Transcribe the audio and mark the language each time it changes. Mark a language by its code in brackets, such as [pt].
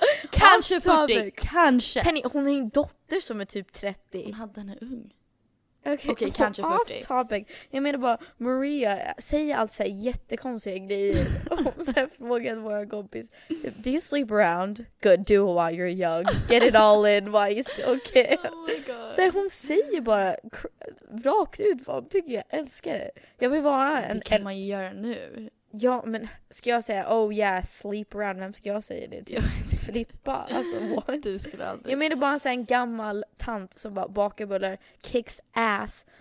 [sv] Kanske 40, kanske. Penny, hon är en dotter som är typ 30. Hon hade henne ung. Okej, kanske 40. Topic. Jag menar bara, Maria säger allt så här jättekonstiga grejer. Hon säger frågan till våra kompis. [en] Do you sleep around? Good, do it while you're young. Get it all in while you still can. Oh my god. [sv] Så hon säger bara rakt ut vad hon tycker. Jag älskar det. Jag vill vara en... Det kan man ju göra nu. Ja, men ska jag säga, [en] oh yeah, sleep around. [sv] Vem ska jag säga det till? Flippa, alltså what? Du skulle aldrig. Jag menar bara en gammal tant som bara bakar bullar, [en] kicks ass.